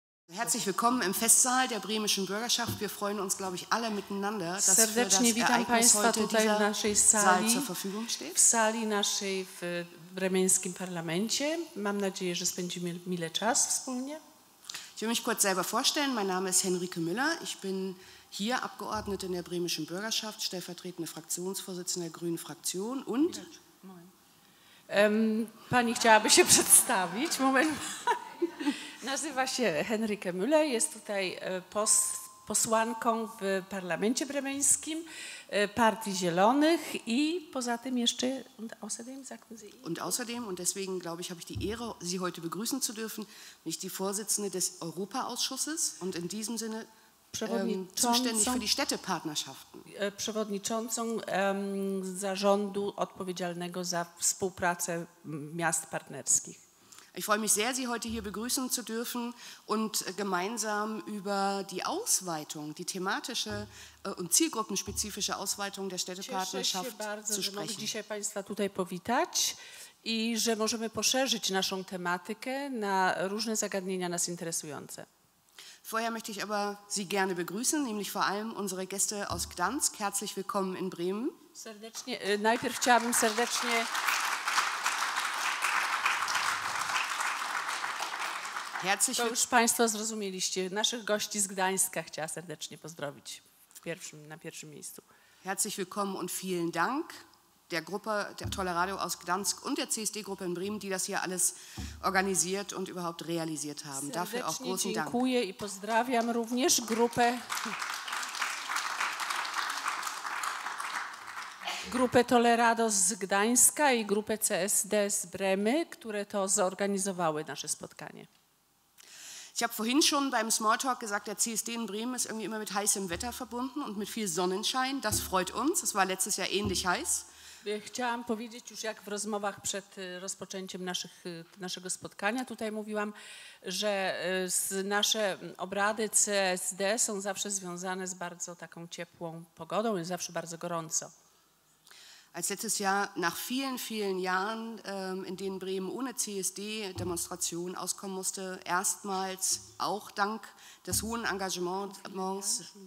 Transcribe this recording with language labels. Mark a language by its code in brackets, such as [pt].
[de] Herzlich willkommen im Festsaal der Bremischen Bürgerschaft. Wir freuen uns, glaube ich, alle miteinander, dass für das Ereignis heute dieser Saal zur Verfügung steht. [pl] W sali naszej w bremeńskim parlamencie. Mam nadzieję, że spędzimy mile czas wspólnie. [de] Ich will mich kurz selber vorstellen. Mein Name ist Henrike Müller. Ich bin hier Abgeordnete in der Bremischen Bürgerschaft, stellvertretende Fraktionsvorsitzende der Grünen Fraktion und... [pl] Pani chciałaby się przedstawić. Moment. Nazywa się Henrike Müller, jest tutaj posłanką w parlamencie bremeńskim Partii Zielonych i poza tym jeszcze [de] und außerdem sagten Sie und außerdem und deswegen glaube ich habe ich die Ehre Sie heute begrüßen zu dürfen, nicht die Vorsitzende des Europaausschusses und in diesem Sinne zuständig für die Städtepartnerschaften. [pl] Przewodniczącą zarządu odpowiedzialnego za współpracę miast partnerskich. [de] Ich freue mich sehr, Sie heute hier begrüßen zu dürfen und gemeinsam über die Ausweitung, die thematische und zielgruppenspezifische Ausweitung der Städtepartnerschaft zu sprechen. [pl] Cieszę się bardzo, że mogę dzisiaj Państwa tutaj powitać i że możemy poszerzyć naszą tematykę na różne zagadnienia nas interesujące. [de] Vorher möchte ich aber Sie gerne begrüßen, nämlich vor allem unsere Gäste aus Gdansk. Herzlich willkommen in Bremen. [pl] Serdecznie, najpierw chciałabym serdecznie... [de] Herzlich [pl] to już Państwo zrozumieliście. Naszych gości z Gdańska chciała serdecznie pozdrowić na pierwszym miejscu. [de] Herzlich willkommen und vielen Dank der Gruppe, der Tolle Radio aus Gdansk und der CSD-Gruppe in Bremen, die das hier alles organisiert und überhaupt realisiert haben. [pl] Serdecznie [de] dafür auch großen [pl] dziękuję [de] Dank. [pl] Dziękuję i pozdrawiam również grupę. Grupę Tolerado z Gdańska i grupę CSD z Bremy, które to zorganizowały nasze spotkanie. [de] Ich habe vorhin schon beim Smalltalk gesagt, der CSD in Bremen ist irgendwie immer mit heißem Wetter verbunden und mit viel Sonnenschein. Das freut uns. Es war letztes Jahr ähnlich heiß. [pl] Chciałam powiedzieć już jak w rozmowach przed rozpoczęciem naszego spotkania tutaj mówiłam, że nasze obrady CSD są zawsze związane z bardzo taką ciepłą pogodą, jest zawsze bardzo gorąco. [de] Als letztes Jahr nach vielen, vielen Jahren, in denen Bremen ohne CSD-Demonstration auskommen musste, erstmals auch dank des hohen Engagements.